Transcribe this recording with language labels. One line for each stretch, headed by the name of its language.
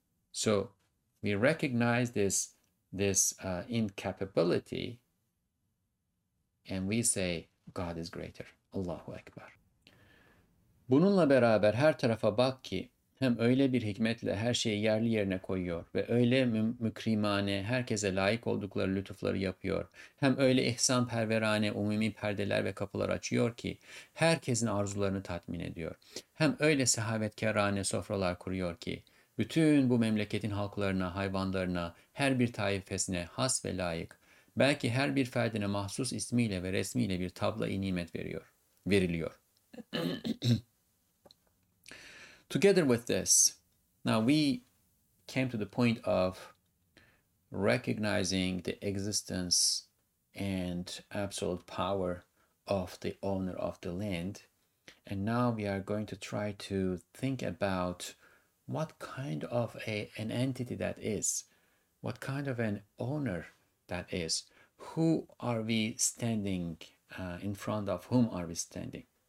English: So we recognize this incapability, and we say, God is greater.
Turkish: Allahu Ekber. Bununla beraber her tarafa bak ki, hem öyle bir hikmetle her şeyi yerli yerine koyuyor ve öyle mükrimane, herkese layık oldukları lütufları yapıyor. Hem öyle ihsan perverane, umumi perdeler ve kapılar açıyor ki herkesin arzularını tatmin ediyor. Hem öyle sehavetkarane sofralar kuruyor ki bütün bu memleketin halklarına, hayvanlarına, her bir taifesine has ve layık, belki her bir ferdine mahsus ismiyle ve resmiyle bir tabla-i nimet veriliyor.
English: Together with this, now we came to the point of recognizing the existence and absolute power of the owner of the land. And now we are going to try to think about what kind of an entity that is, what kind of an owner that is, who are we standing in front of, whom are we standing.